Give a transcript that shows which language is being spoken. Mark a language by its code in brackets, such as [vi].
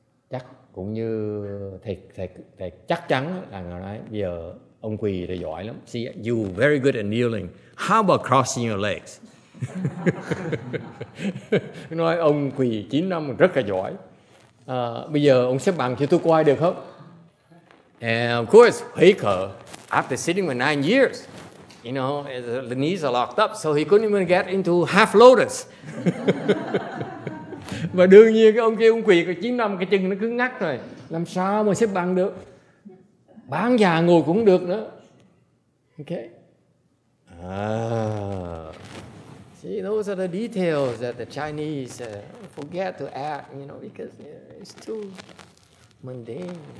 [vi] Chắc cũng như thầy chắc chắn là ngài nói bây giờ ông quỳ thầy giỏi lắm. [en] See, you very good at kneeling. How about crossing your legs? [vi] Nói ông quỳ 9 năm rất là giỏi. Bây giờ ông xếp bằng cho tôi quay được không? [en] And of course, wake up. After sitting for 9 years, you know, the knees are locked up, so he couldn't even get into half lotus. [vi] Mà đương nhiên cái ông kia ông quỳ có 9 năm cái chân nó cứ ngắt rồi, làm sao mà xếp bằng được? Bán già ngồi cũng được nữa. [en] Okay. See, those are the details that the Chinese forget to add, you know, because it's too mundane.